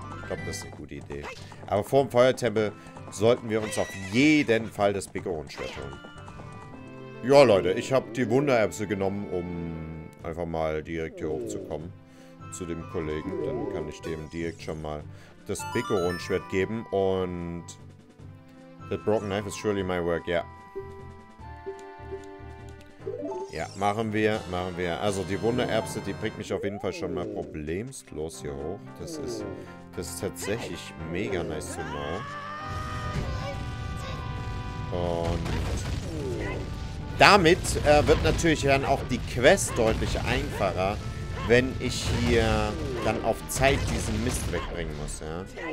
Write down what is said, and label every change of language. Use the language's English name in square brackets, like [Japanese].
[German] Ich glaube, das ist eine gute Idee. Aber vor dem Feuertempel sollten wir uns auf jeden Fall das Bigoron-Schwert holen. Ja, Leute, ich habe die Wundererbse genommen, um einfach mal direkt hier hochzukommen zu dem Kollegen. Dann kann ich dem direkt schon mal das Bigoron-Schwert geben und... [English] The Broken Knife is surely my work, ja. [German] Ja, machen wir. Also die Wundererbse, die bringt mich auf jeden Fall schon mal problemlos hier hoch. Das ist tatsächlich mega nice zu machen. Und... Damit wird natürlich dann auch die Quest deutlich einfacher, wenn ich hier dann auf Zeit diesen Mist wegbringen muss, ja.